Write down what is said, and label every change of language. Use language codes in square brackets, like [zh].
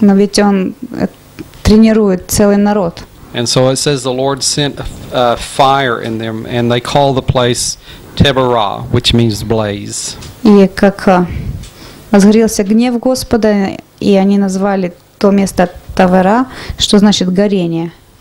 [ru] Но ведь он тренирует целый народ. [en] And so it says the Lord sent a fire in them, and they call the place Теберах, which means blaze. [ru] И как возгорелся гнев Господа, и они назвали то место Тавера, что значит горение.